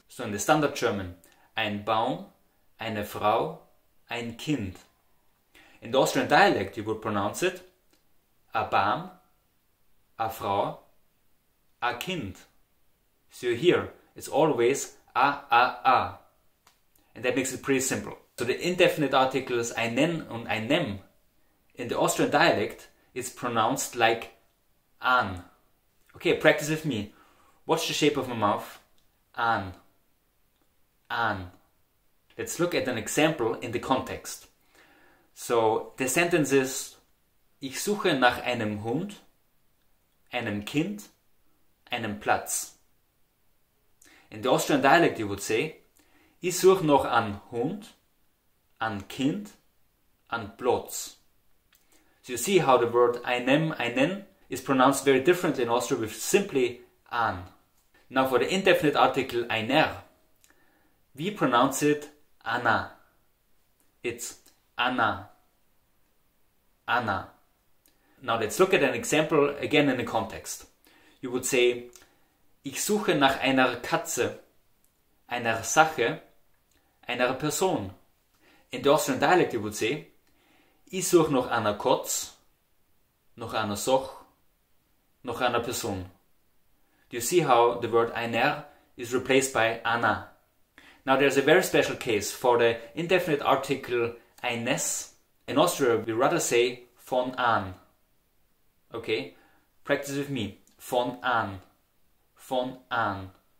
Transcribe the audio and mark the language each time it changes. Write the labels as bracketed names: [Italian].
[English] So in the standard German, [German] ein Baum, eine Frau, ein Kind. [English] In the Austrian dialect, you would pronounce it [German] a Baum, a Frau, a Kind. [English] So here, it's always a, a, a. And that makes it pretty simple. So the indefinite articles einen und einem in the Austrian dialect is pronounced like an. Okay, practice with me. Watch the shape of my mouth. An. An. Let's look at an example in the context. So the sentence is, [German] ich suche nach einem Hund, einem Kind, einem Platz. [English] In the Austrian dialect you would say, [German] ich suche noch an Hund, an Kind, an Platz. [English] So you see how the word einem, einen is pronounced very differently in Austria with simply an. Now for the indefinite article einer, we pronounce it Anna. It's Anna. Anna. Now let's look at an example again in the context. You would say, [German] ich suche nach einer Katze, einer Sache, einer Person. [English] In the Austrian dialect you would say, [German] ich suche noch einer Katz, noch einer Soch, noch einer Person. [English] Do you see how the word einer is replaced by Anna? Now there's a very special case for the indefinite article eines. In Austria we rather say von an. Okay, practice with me. Von an. Von an.